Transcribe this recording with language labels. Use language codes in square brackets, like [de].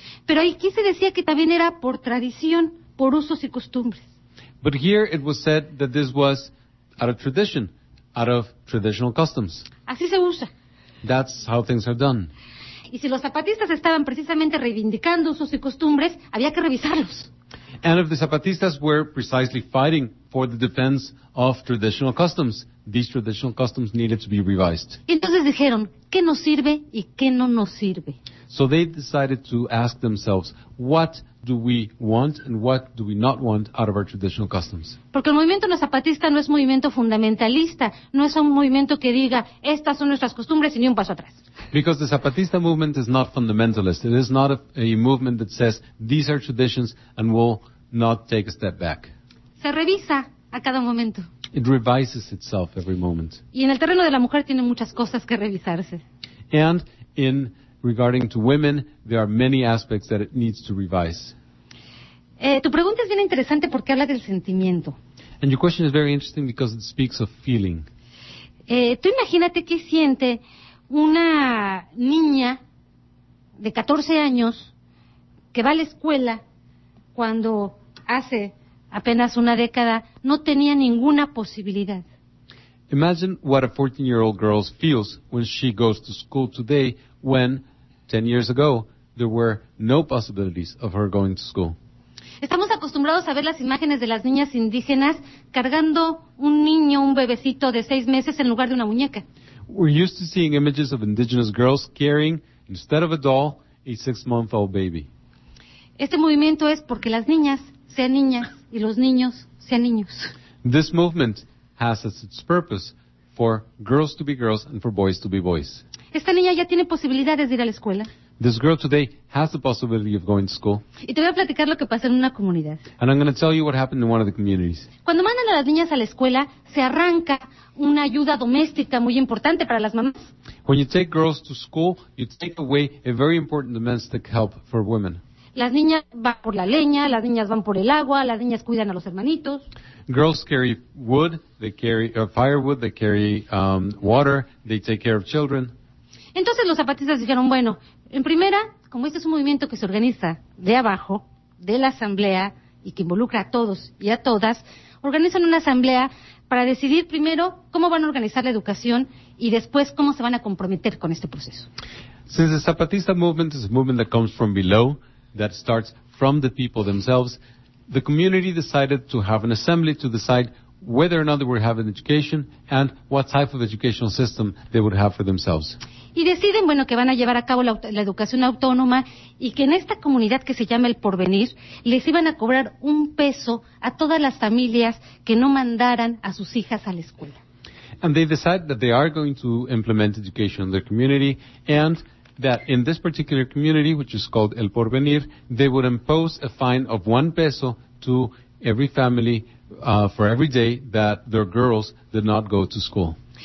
[es] Pero aquí se decía que también era por tradición, por usos y costumbres. [en] But here it was said that this was out of tradition, out of traditional customs. [es] Así se usa. [en] That's how things are done. [es] Y si los zapatistas estaban precisamente reivindicando usos y costumbres, había que revisarlos. [en] And if the Zapatistas were precisely fighting for the defense of traditional customs, these traditional customs needed to be revised. [es] Entonces dijeron, ¿qué nos sirve y qué no nos sirve? [en] So they decided to ask themselves, what do we want and what do we not want out of our traditional customs? [es] Porque el movimiento no zapatista no es movimiento fundamentalista, no es un movimiento que diga, estas son nuestras costumbres y ni un paso atrás. [en] Because the Zapatista movement is not fundamentalist. It is not a movement that says these are traditions and will not take a step back. [es] Se revisa a cada momento. [en] It revises itself every moment. [es] Y en el terreno de la mujer tiene muchas cosas que revisarse. [en] And in regarding to women, there are many aspects that it needs to revise. [es] Tu pregunta es bien interesante porque habla del sentimiento. [en] And your question is very interesting because it speaks of feeling. [es] Tú imagínate qué siente una niña de 14 años que va a la escuela cuando hace apenas una década no tenía ninguna posibilidad. [en] Imagine what a 14-year-old girl feels when she goes to school today when 10 years ago there were no possibilities of her going to school. [es] Estamos acostumbrados a ver las imágenes de las niñas indígenas cargando un niño, un bebecito de 6 meses en lugar de una muñeca. [en] We're used to seeing images of indigenous girls carrying, instead of a doll, a 6-month-old baby. [es] Este movimiento es porque las niñas sean niñas y los niños sean niños. [en] This movement has as its purpose for girls to be girls and for boys to be boys. [es] Esta niña ya tiene posibilidades de ir a la escuela. [en] This girl today has the possibility of going to school. [es] Y te voy a platicar lo que pasó en una comunidad. [en] And I'm going to tell you what happened in one of the communities. [es] Cuando mandan a las niñas a la escuela, se arranca una ayuda doméstica muy importante para las mamás. [en] When you take girls to school, you take away a very important domestic help for women. [es] Las niñas van por la leña, las niñas van por el agua, las niñas cuidan a los hermanitos. [en] Girls carry wood, they carry firewood, they carry water, they take care of children. [es] Entonces los zapatistas dijeron, bueno, en primera, como este es un movimiento que se organiza de abajo, de la asamblea, y que involucra a todos y a todas, organizan una asamblea para decidir primero cómo van a organizar la educación y después cómo se van a comprometer con este proceso. [en] Since the Zapatista movement is a movement that comes from below, that starts from the people themselves, the community decided to have an assembly to decide whether or not they would have an education and what type of educational system they would have for themselves. [es] Y deciden, bueno, que van a llevar a cabo la educación autónoma y que en esta comunidad que se llama El Porvenir les iban a cobrar un peso a todas las familias que no mandaran a sus hijas a la escuela. [en] And they decide that they are going to implement education in their community and that in this particular community, which is called El Porvenir, they would impose a fine of 1 peso to every family for every day that their girls did not go to school.